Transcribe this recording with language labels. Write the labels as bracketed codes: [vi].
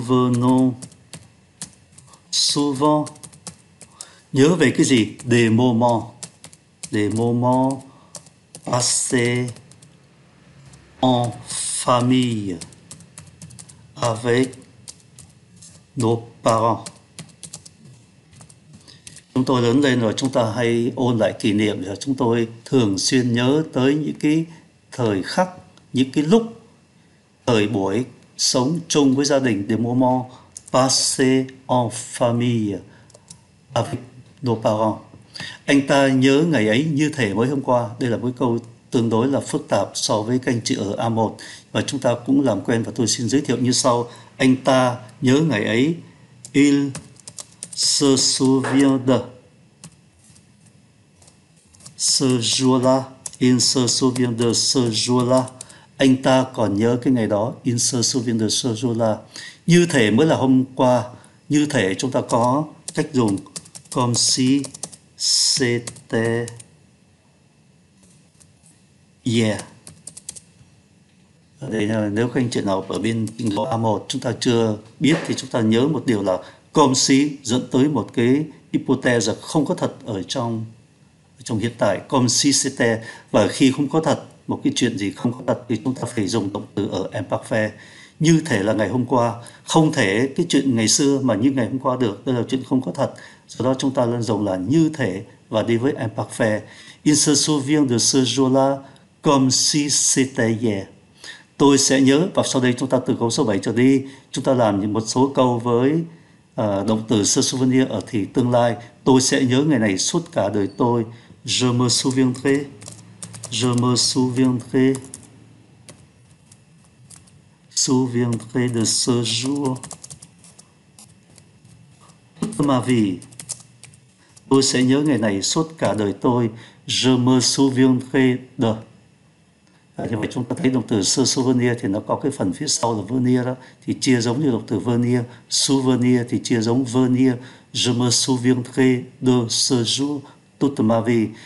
[fr] Nous nous souvenons souvent. [vi] Nhớ về cái gì? Des moments [fr] passés en famille avec nos parents. [vi] Chúng tôi lớn lên rồi, chúng ta hay ôn lại kỷ niệm, và chúng tôi thường xuyên nhớ tới những cái thời khắc, những cái lúc, thời buổi sống chung với gia đình. [fr] Des moments passés en famille avec nos parents. [vi] Anh ta nhớ ngày ấy như thể mới hôm qua. Đây là một câu tương đối là phức tạp so với các anh chị ở A1, và chúng ta cũng làm quen, và tôi xin giới thiệu như sau. Anh ta nhớ ngày ấy. [fr] Il se souvient de ce jour-là. Il se souvient de ce jour-là. [vi] Anh ta còn nhớ cái ngày đó. [fr] Il se souvient de ce jour-là. [vi] Như thế mới là hôm qua. Như thế chúng ta có cách dùng comme si c'était hier. Đây, nếu các anh chị nào ở bên trình độ A1 chúng ta chưa biết thì chúng ta nhớ một điều là comme si dẫn tới một cái hypothèse không có thật ở trong hiện tại, comme si c'était. Và khi không có thật, một cái chuyện gì không có thật, thì chúng ta phải dùng động từ ở imparfait. Như thể là ngày hôm qua, không thể cái chuyện ngày xưa mà như ngày hôm qua được, đây là chuyện không có thật. Do đó chúng ta nên dùng là như thể và đi với imparfait. [fr] Il se souvient de ce jour-là comme si c'était hier. [vi] Tôi sẽ nhớ, và sau đây chúng ta từ câu số 7 trở đi, chúng ta làm một số câu với động từ se souvenir ở thì tương lai. Tôi sẽ nhớ ngày này suốt cả đời tôi. [fr] Je me souviendrai. Je me souviendrai. Souviendrai de ce jour. Toute ma vie. [vi] Tôi sẽ nhớ ngày này suốt cả đời tôi. Je me souviendrai de. Như vậy chúng ta thấy động từ se souvenir thì nó có cái phần phía sau là venir đó, thì chia giống như động từ venir. Souvenir thì chia giống venir. [fr] Je me souviendrai de ce jour toute ma vie.